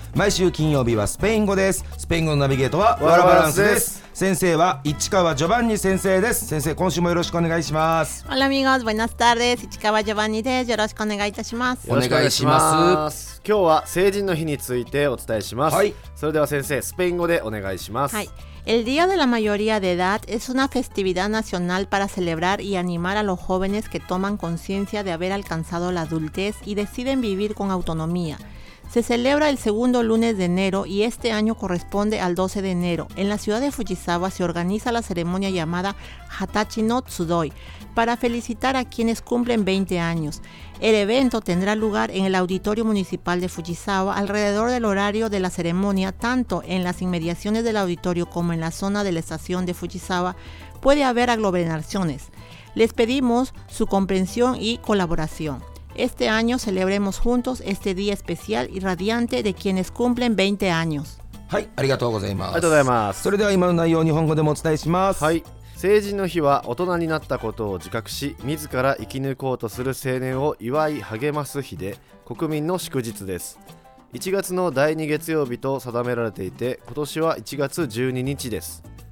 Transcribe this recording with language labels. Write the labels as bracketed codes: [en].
[ja] 毎週金曜日はスペイン語です。スペイン語のナビゲートはワラバランスです。先生は市川ジョバンニ先生です。先生、今週もよろしくお願いします。 [es] オラミゴズ、ボイナスタール [ja] です。市川ジョバンニです。よろしくお願いいたします。お願いします。今日は成人の日についてお伝えします。はい、それでは先生、スペイン語でお願いします。はい、 [es] El Día de la Mayoría de Edad es una festividad nacional para celebrar y animar a los jóvenes que toman conciencia de haber alcanzado la adultez y deciden vivir con autonomía. Se celebra el segundo lunes de enero y este año corresponde al 12 de enero. En la ciudad de Fujisawa se organiza la ceremonia llamada Hatachi no Tsudoi para felicitar a quienes cumplen 20 años. El evento tendrá lugar en el Auditorio Municipal de Fujisawa alrededor del horario de la ceremonia. Tanto en las inmediaciones del auditorio como en la zona de la estación de Fujisawa puede haber aglomeraciones. Les pedimos su comprensión y colaboración. Este año celebremos juntos este día especial y radiante de quienes cumplen 20 años. [ja] はい、ありがとうございます。ありがとうございます。それでは今の内容を日本語でもお伝えします。はい。成人の日は大人になったことを自覚し、自ら生き抜こうとする青年を祝い励ます日で、国民の祝日です。 1月の第2月曜日と定められていて、今年は1月12日です。